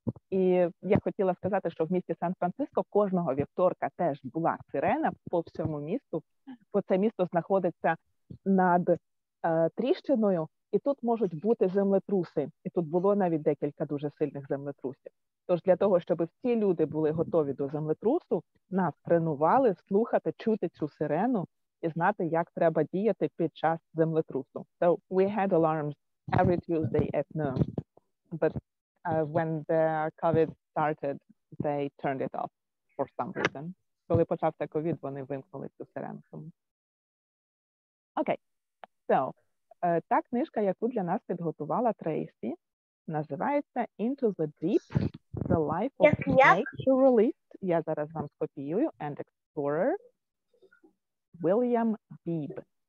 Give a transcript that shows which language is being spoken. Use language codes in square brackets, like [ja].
[uk] І я хотіла сказати, що в місті Сан-Франциско кожного вівторка теж була сирена по всьому місту, бо це місто знаходиться над тріщиною, і тут можуть бути землетруси. І тут було навіть декілька дуже сильних землетрусів. Тож для того, щоб всі люди були готові до землетрусу, нас тренували слухати, чути цю сирену і знати, як треба діяти під час землетрусу. [en] So we had alarms every Tuesday at noon, but when the COVID started, they turned it off for some reason. [uk] Коли почався COVID, вони вимкнули цю сирену. Okay, so, та книжка, яку для нас підготувала Трейсі, називається Into the Deep, The Life of the Nature Released. Я зараз вам скопіюю. And Explorer, William Beebe.